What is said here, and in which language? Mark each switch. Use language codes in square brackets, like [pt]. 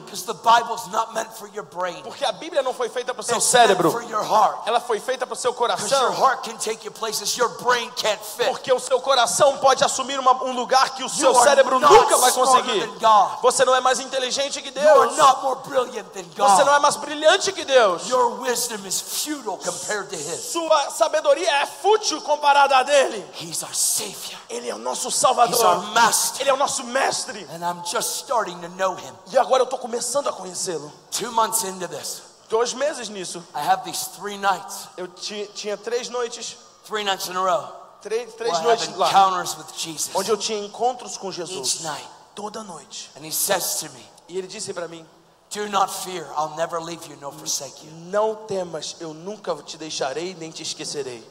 [en] Because the Bible's not meant for your brain. [pt] Porque a Bíblia não foi feita para o seu [en] It's [pt] cérebro. [en] Meant for your heart. [pt] Ela foi feita para o seu coração. [en] Because your heart can take your places your brain can't fit. [pt] Porque o seu coração pode assumir um lugar que o seu cérebro nunca vai conseguir. Você não é mais inteligente que Deus. [en] You are not more brilliant than God. [pt] Você não é mais brilhante que Deus. [en] Your wisdom is futile compared to his. [pt] Sua sabedoria é fútil comparada à dele. [en] He's our savior. [pt] Ele é o nosso salvador. [en] He's our master. [pt] Ele é o nosso mestre. [en] And I'm just starting to know him. [pt] E agora eu estou começando a conhecê-lo. [en] 2 months into this. [pt] 2 meses nisso. [en] I have these 3 nights. [pt] Eu tinha 3 noites. [en] 3 nights in a row. [pt] Três noites [en] lá, with Jesus. [pt] Onde eu tinha encontros com Jesus. [en] Each night. [pt] Toda noite. [en] And he says to me, [pt] e ele disse para mim: [en] Do not fear, I'll never leave you nor forsake you. [pt] Não temas, eu nunca te deixarei nem te esquecerei.